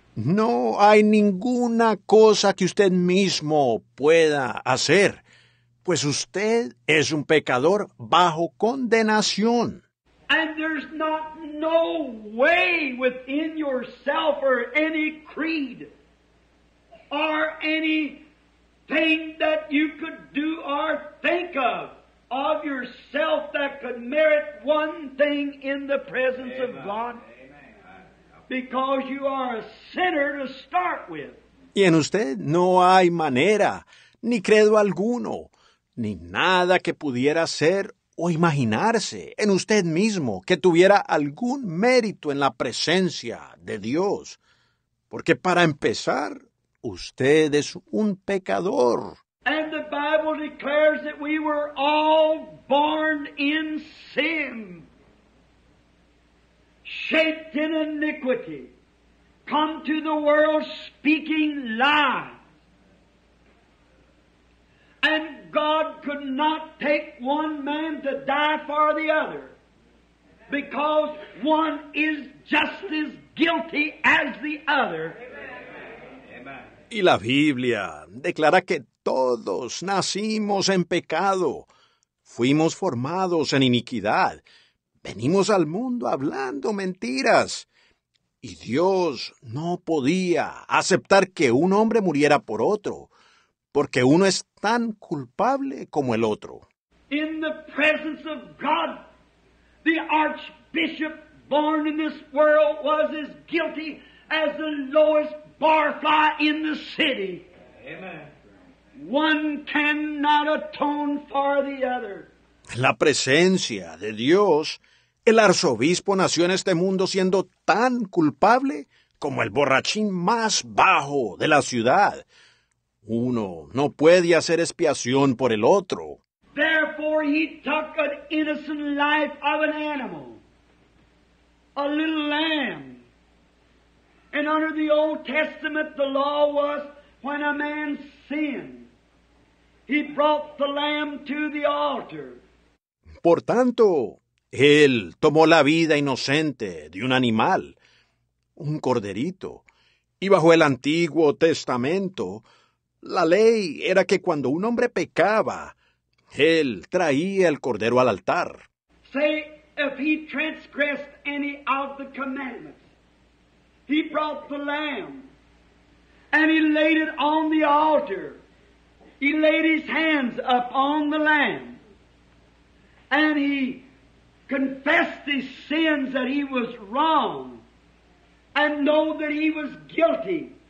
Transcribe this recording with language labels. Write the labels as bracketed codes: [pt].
[es] No hay ninguna cosa que usted mismo pueda hacer, pues usted es un pecador bajo condenación. [en] And there's not no way within yourself or any creed or any thing that you could do or think of yourself that could merit one thing in the presence Amen. Of God. Because you are a sinner to start with. [es] Y en usted no hay manera, ni credo alguno, ni nada que pudiera ser o imaginarse en usted mismo que tuviera algún mérito en la presencia de Dios. Porque para empezar, usted es un pecador. [en] And the Bible declares that we were all born in sin. Shaped in iniquity, come to the world speaking lies. And God could not take one man to die for the other, because one is just as guilty as the other. [es] Y la Biblia declara que todos nacimos en pecado, fuimos formados en iniquidad. Venimos al mundo hablando mentiras. Y Dios no podía aceptar que un hombre muriera por otro, porque uno es tan culpable como el otro. [en] In the presence of God, the archbishop born in this world was as guilty as the lowest barfly in the city. Amen. One cannot atone for the other. [es] En la presencia de Dios, el arzobispo nació en este mundo siendo tan culpable como el borrachín más bajo de la ciudad. Uno no puede hacer expiación por el otro. [en] Therefore he took an innocent life of an animal, a little lamb. And under the Old Testament the law was when a man sinned, he brought the lamb to the altar. [es] Por tanto, él tomó la vida inocente de un animal, un corderito, y bajo el Antiguo Testamento, la ley era que cuando un hombre pecaba, él traía el cordero al altar. [en] Say, if he transgressed any of the commandments, he brought the lamb, and he laid it on the altar. He laid his hands upon the lamb, and he confessed his sins that he was wrong, and know that he was guilty.